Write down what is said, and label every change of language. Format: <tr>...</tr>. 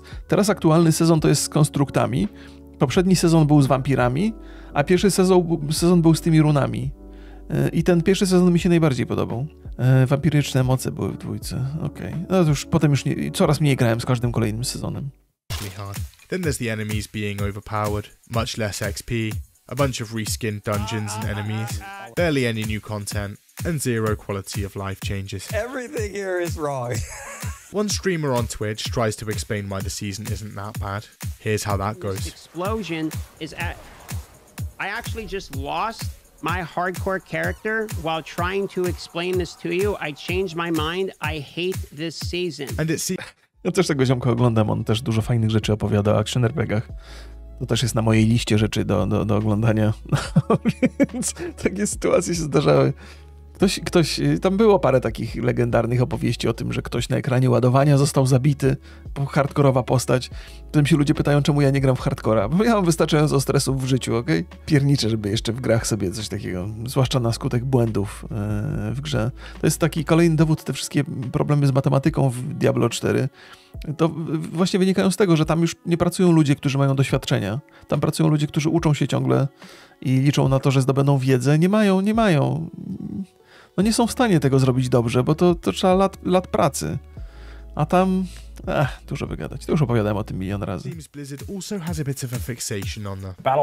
<pl>Teraz aktualny sezon to jest z konstruktami. Poprzedni sezon był z wampirami, a pierwszy sezon był z tymi runami. I ten pierwszy sezon mi się najbardziej podobał. Wampiryczne moce były w dwójce. Okej. Okay. No, to już potem już nie, coraz mniej grałem z każdym kolejnym sezonem.</pl> <en>Hard. Then there's the enemies being overpowered, much less XP, a bunch of reskinned dungeons and enemies, barely any new content, and zero quality of life changes. Everything here is wrong. One streamer on Twitch tries to explain why the season isn't that bad. Here's how that goes. Explosion is at... I actually just lost my hardcore character while trying to explain this to you. I changed my mind. I hate this season. And it seems...</en> <pl>Ja też tego ziomka oglądam, on też dużo fajnych rzeczy opowiada o action RPGach. To też jest na mojej liście rzeczy do oglądania. No, więc takie sytuacje się zdarzały. Ktoś, tam było parę takich legendarnych opowieści o tym, że ktoś na ekranie ładowania został zabity, hardkorowa postać. Potem się ludzie pytają, czemu ja nie gram w hardkora, bo ja mam wystarczająco stresów w życiu, okej? Okay? Pierniczę, żeby jeszcze w grach sobie coś takiego, zwłaszcza na skutek błędów w grze. To jest taki kolejny dowód, te wszystkie problemy z matematyką w Diablo 4. To właśnie wynikają z tego, że tam już nie pracują ludzie, którzy mają doświadczenia. Tam pracują ludzie, którzy uczą się ciągle i liczą na to, że zdobędą wiedzę. Nie mają. No nie są w stanie tego zrobić dobrze, bo to trzeba lat pracy. A tam... dużo wygadać. To już opowiadałem o tym milion razy.</pl> <en>Teams Blizzard also has a bit of a fixation on the...</en>